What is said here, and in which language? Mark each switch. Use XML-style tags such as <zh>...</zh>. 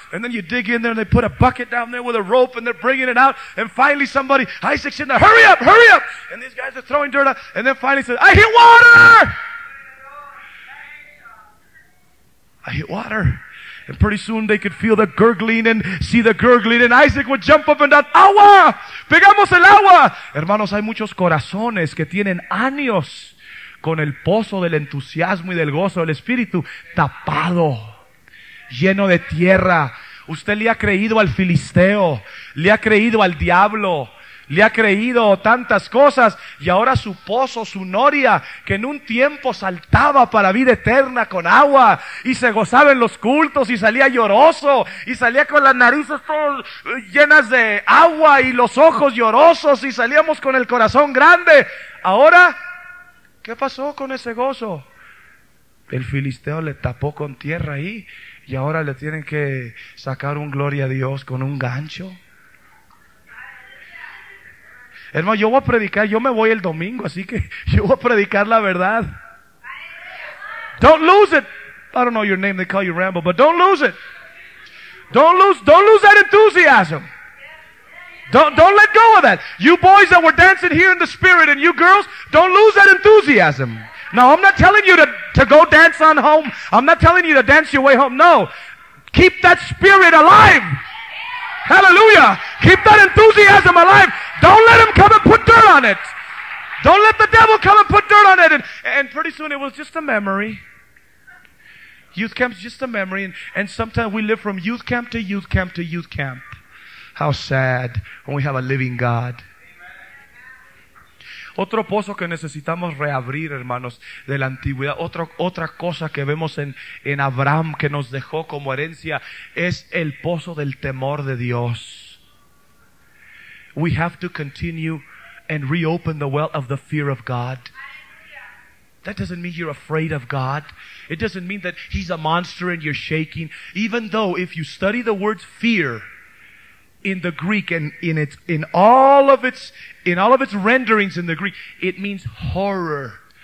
<en>And then you dig in there, and they put a bucket down there with a rope, and they're bringing it out, and finally somebody, Isaac's sitting there, hurry up, hurry up! And these guys are throwing dirt out, and then finally says, I hit water. And pretty soon they could feel the gurgling and see the gurgling. And Isaac would jump up and down.</en> <es>¡Agua! ¡Pegamos el agua! Hermanos, hay muchos corazones que tienen años con el pozo del entusiasmo y del gozo del espíritu tapado, lleno de tierra. Usted le ha creído al filisteo, le ha creído al diablo, le ha creído tantas cosas, y ahora su pozo, su noria, que en un tiempo saltaba para vida eterna con agua, y se gozaba en los cultos, y salía lloroso, y salía con las narices todas llenas de agua, y los ojos llorosos, y salíamos con el corazón grande. Ahora, ¿qué pasó con ese gozo? El filisteo le tapó con tierra ahí, y ahora le tienen que sacar un gloria a Dios con un gancho. Hermano, yo voy a predicar, yo me voy el domingo, así que yo voy a predicar la verdad.</es> <en>Don't lose it. I don't know your name, they call you Rambo, but don't lose it. Don't lose that enthusiasm. Don't let go of that. You boys that were dancing here in the spirit, and you girls, don't lose that enthusiasm. Now, I'm not telling you to go dance on home. I'm not telling you to dance your way home. No. Keep that spirit alive. Hallelujah. Keep that enthusiasm alive. Don't let him come and put dirt on it. Don't let the devil come and put dirt on it. And pretty soon it was just a memory. Youth camp's just a memory. And sometimes we live from youth camp to youth camp to youth camp. How sad when we have a living God.</en> <es>Otro pozo que necesitamos reabrir, hermanos, de la antigüedad. Otra cosa que vemos en Abraham que nos dejó como herencia es el pozo del temor de Dios.</es> <en>We have to continue and reopen the well of the fear of God. That doesn't mean you're afraid of God. It doesn't mean that he's a monster and you're shaking. Even though if you study the word fear in the Greek and in all of its renderings in the Greek, it means horror.</en>